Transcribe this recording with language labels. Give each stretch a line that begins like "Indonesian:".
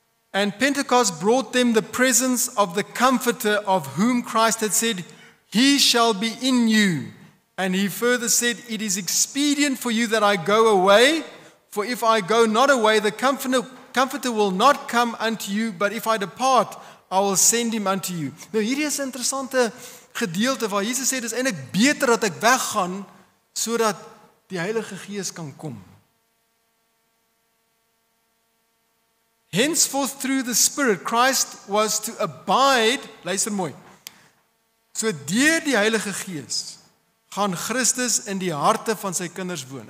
English: And Pentecost brought them the presence of the Comforter of whom Christ had said, He shall be in you. And he further said, It is expedient for you that I go away, for if I go not away, the Comforter will not come unto you, but if I depart, I will send him unto you.
Afrikaans: Nou hierdie is 'n interessante gedeelte waar Jesus sê, dis eintlik beter dat ek weggaan, sodat die Heilige Gees kan kom.
English: Henceforth through the Spirit, Christ was to abide,
Afrikaans: luister mooi, So deur die Heilige Gees gaan Christus in die harte van sy kinders woon.